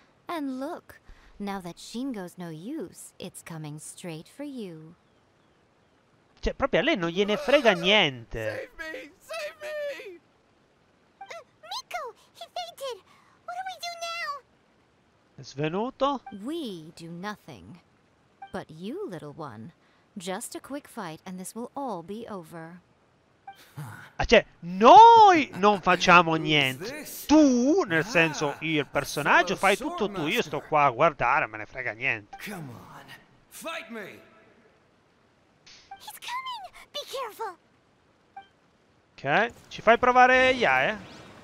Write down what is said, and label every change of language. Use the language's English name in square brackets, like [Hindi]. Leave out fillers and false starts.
[English] And look, now that Shingo's no use, it's coming straight for you. [Italian] Cioè, proprio a lei non gliene frega niente. [English] Save me, save me! Miko, he fainted! What do we do now? [Italian] È svenuto? [English] We do nothing. But you, little one, just a quick fight and this will all be over. [Italian] Ah, cioè, noi non facciamo niente. Tu, nel senso, il personaggio, fai tutto tu. Io sto qua a guardare, me ne frega niente. [English] Come on, fight me! He's coming! Be careful! [Italian] Ok, ci fai provare Yae?